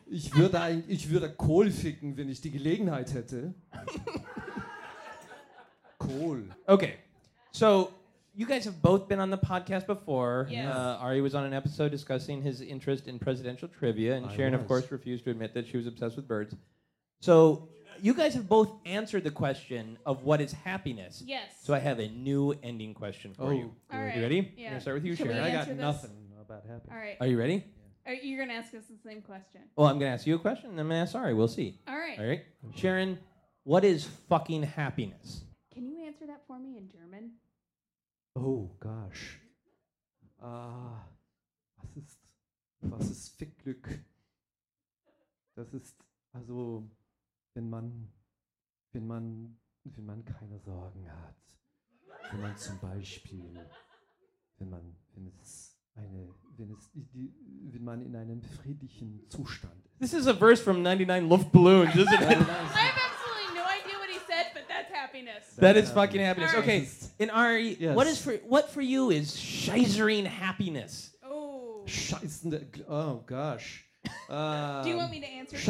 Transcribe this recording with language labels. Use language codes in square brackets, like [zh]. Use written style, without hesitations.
[de] Ich würde Kohl ficken, wenn ich die Gelegenheit hätte. Kohl. [en] Okay, so you guys have both been on the podcast before. Yes. Ari was on an episode discussing his interest in presidential trivia, and Sharon, of course, refused to admit that she was obsessed with birds. So. You guys have both answered the question of what is happiness. Yes. So I have a new ending question for you. All right. You ready? Yeah. I'm start with you, Sharon. I got nothing about happiness. All right. Are you ready? Yeah. You're going to ask us the same question. Oh, I'm going to ask you a question, and I'm going to ask Ari. We'll see. All right. All right. Okay. Sharon, what is fucking happiness? Can you answer that for me in German? [de] Oh, gosh. Was ist Fickglück? Das ist, also... Wenn man keine Sorgen hat, wenn man zum Beispiel, wenn man in einem friedlichen Zustand ist. [en] This is a verse from 99 Luftballons, isn't it? I have absolutely no idea what he said, but that's happiness. Fucking happiness. Right. Okay, and Ari, what for you is scheißering happiness? Oh. [de] Scheißende, oh gosh. [en] Do you want me to answer for